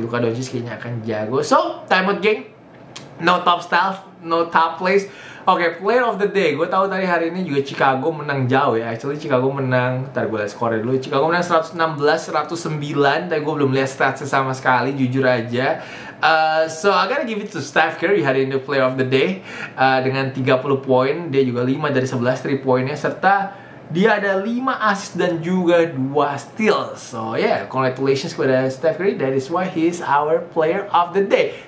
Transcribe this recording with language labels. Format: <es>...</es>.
<en>Luka Doncic</en> <id>kayaknya akan jago.</id> <en>So, time out geng. No top style, no top place.</en> <id>Okay,</id> <en>player of the day.</en> <id>Gue tahu tadi hari ini juga Chicago menang jauh ya. Actually Chicago menang, ntar gue liat skornya dulu. Chicago menang 116-109. Tapi gue belum liat statsnya sama sekali, jujur aja.</id> <en>So I gotta give it to Steph Curry</en> <id>hari ini,</id> <en>player of the day.</en> <id>Dengan 30 poin, dia juga 5 dari 11 3 poinnya, serta dia ada 5 assist dan juga 2 steals.</id> <en>So yeah, congratulations</en> <id>kepada</id> <en>Steph Curry. That is why he's our player of the day.</en>